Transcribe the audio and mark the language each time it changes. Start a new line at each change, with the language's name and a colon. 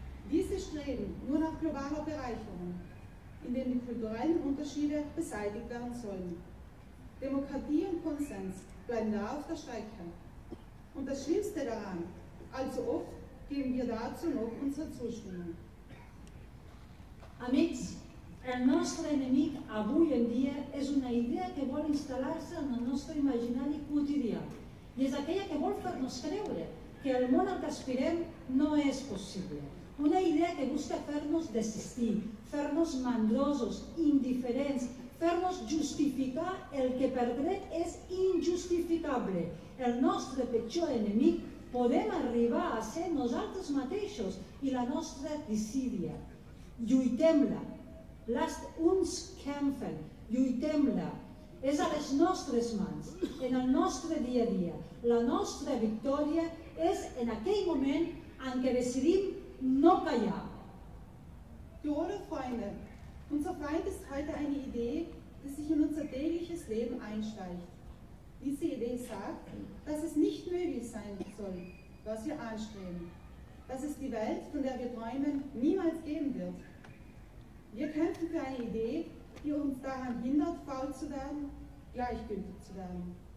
German: Diese streben nur nach globaler Bereicherung, in dem die kulturellen Unterschiede beseitigt werden sollen. Demokratie und Konsens bleiben da auf der Strecke. Und das Schlimmste daran, allzu oft geben wir dazu noch unsere Zustimmung.
Catalan: Amics, el nostre enemic avui en dia és una idea que vol instal·lar-se en el nostre imaginari quotidià i és aquella que vol fer-nos creure que el món al que aspirem no és possible. Una idea que busca fer-nos desistir, fer-nos mandrosos, indiferents, fer-nos justificar el que per dret és injustificable. El nostre pitjor enemic podem arribar a ser nosaltres mateixos i la nostra desídia. Lluitem-la,
German: lasst uns kämpfen,
Catalan: lluitem-la. És a les nostres mans, en el nostre dia a dia. La nostra victòria és en aquell moment en què decidim no callar.
German: Liebe Freunde, unser Feind ist heute eine Idee, die sich in unser tägliches Leben einschleicht. Diese Idee sagt, dass es nicht möglich sein soll, was wir anstreben. Dass es die Welt, von der wir träumen, niemals geben wird. Wir kämpfen für eine Idee, die uns daran hindert, faul zu werden, gleichgültig zu werden.